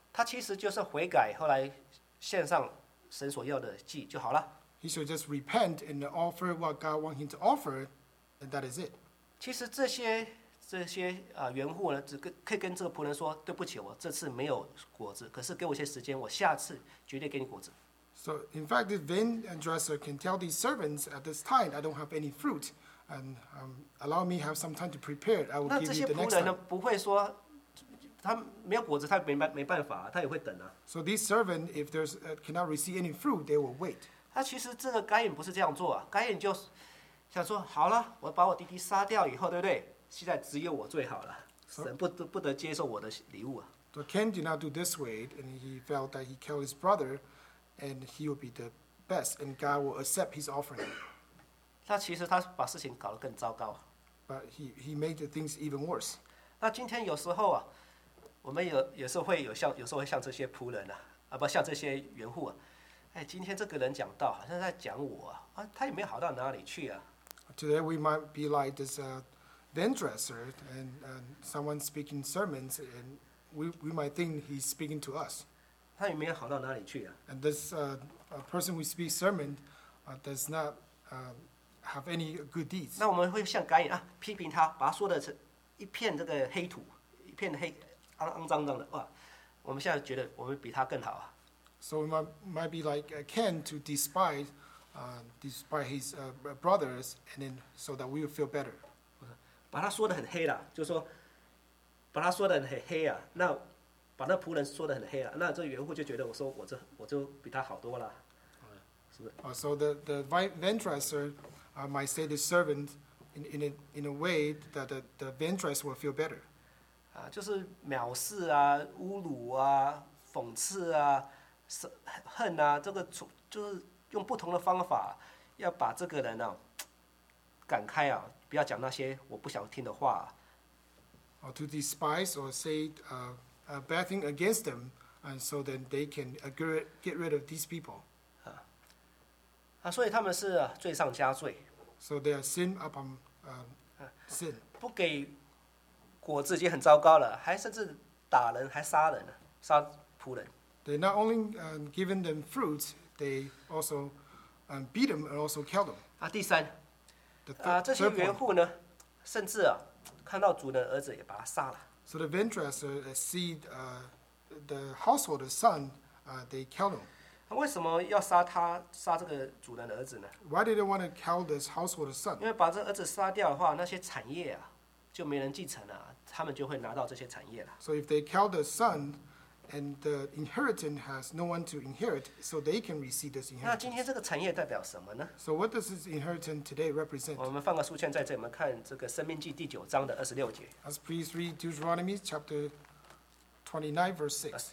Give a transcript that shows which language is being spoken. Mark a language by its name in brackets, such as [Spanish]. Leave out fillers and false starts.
[Chinese] 他其实就是悔改，后来献上神所要的祭就好了。 [English] He should just repent and offer what God wants him to offer, and that is it. [Chinese] 其实这些缘户呢，只可以跟这个仆人说：“对不起，我这次没有果子，可是给我一些时间，我下次绝对给你果子。” [English] So in fact, the vine dresser can tell these servants at this time, "I don't have any fruit, and allow me have some time to prepare. I will give you the next time." [Chinese] 那这些仆人呢，不会说他没有果子，他没办法、啊，他也会等啊。 [English] So these servants, if there's cannot receive any fruit, they will wait. [Chinese] 他其实这个该隐不是这样做啊，该隐就想说：“好了，我把我弟弟杀掉以后，对不对？” 现在只有我最好了，神不得接受我的礼物啊。 [English] So Cain did not do this way, and he felt that he killed his brother, and he will be the best, and God will accept his offering. [Chinese] 那其实他把事情搞得更糟糕。 [English] But he made the things even worse. [Chinese] 那今天有时候啊，我们有时候会有时候会像这些仆人啊，不像这些园户啊，哎，今天这个人讲道好像在讲我啊，他也没有好到哪里去啊。 [English] Today we might be like this. Vine dresser and someone speaking sermons, and we might think he's speaking to us. [Chinese] 他也没有好到哪里去啊。 [English] And this person who speaks sermon does not have any good deeds. [Chinese] 那我们会像该隐啊，批评他，把他说的是一片这个黑土，一片黑肮脏脏的哇。我们现在觉得我们比他更好啊。 [English] So we might be like Cain to despise his brothers, and then so that we will feel better. [Chinese] 把他说得很黑了，就是说，把他说得很黑啊。那把那仆人说得很黑了，那这园户就觉得我就比他好多了，是不是？ [English] So the vine dresser might say the servant in a way that the vine dresser will feel better. [Chinese] 就是藐视啊、侮辱啊、讽刺啊、恨啊，这个就是用不同的方法要把这个人啊赶开啊。不要讲那些我不想听的话、啊。 [English] Or to despise or say a bad thing against them, and so then they can get rid of these people. [Chinese] 所以他们是罪上加罪。 [English] So they are sin upon sin. [Chinese] 不给果子已经很糟糕了，还甚至打人，还杀人，杀仆人。 [English] They not only given them fruit, they also beat them and also kill them. [Chinese] 第三。这些园户呢，甚至啊，看到主的儿子也把他杀了。 [English] So the vine dresser see the householder's son, they kill him. [Chinese] 为什么要杀他？杀这个主人的儿子呢 [English] ？Why did they want to kill this householder's son? [Chinese] 因为把这儿子杀掉的话，那些产业啊，就没人继承了，他们就会拿到这些产业了。 [English] So if they kill the son, and the inheritance has no one to inherit, so they can receive this inheritance. [Chinese] 那今天这个产业代表什么呢 [English] ？So what does this inheritance today represent? [Chinese] 我们放个书签在这，我们看这个《生命记》第九章的二十六节。 [English] Let's please read Deuteronomy chapter 29, verse 6.